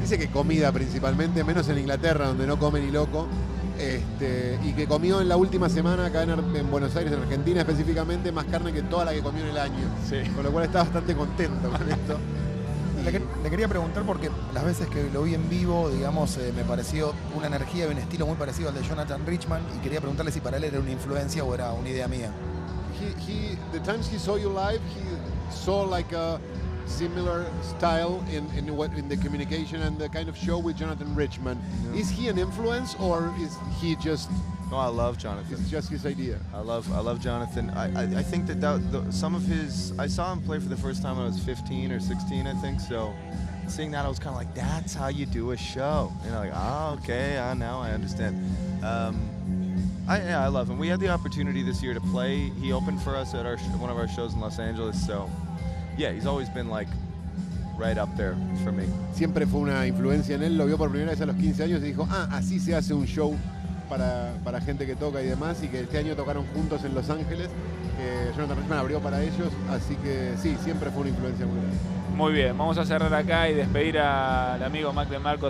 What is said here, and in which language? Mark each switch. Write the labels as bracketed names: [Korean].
[Spanish] Dice que comida principalmente, menos en Inglaterra, donde no come ni loco, y que comió en la última semana acá en Buenos Aires, en Argentina específicamente, más carne que toda la que comió en el año. Sí. Con lo cual está bastante contento con esto. Le quería preguntar porque las veces que lo vi en vivo, me pareció una energía y un estilo muy parecido al de Jonathan Richman, y quería preguntarle si para él era una influencia o era una idea mía. [English] He, the times he saw you live, he saw like a similar style in the communication and the kind of show with Jonathan Richman. Yeah. Is he an influence or is he just? No, I love Jonathan. It's just his idea. I love Jonathan. I think I saw him play for the first time when I was 15 or 16, I think. So, seeing that, I was kind of like, that's how you do a show. Now I understand. I love him. We had the opportunity this year to play. He opened for us at one of our shows in Los Angeles. So, yeah, he's always been like right up there for me. [Spanish] Siempre fue una influencia en él. Lo vio por primera vez a los 15 años y dijo, así se hace un show para gente que toca y demás. Y que este año tocaron juntos en Los Ángeles. Jonathan Richman abrió para ellos. Así que sí, siempre fue una influencia muy grande. Muy bien, vamos a cerrar acá y despedir al amigo Mac DeMarco.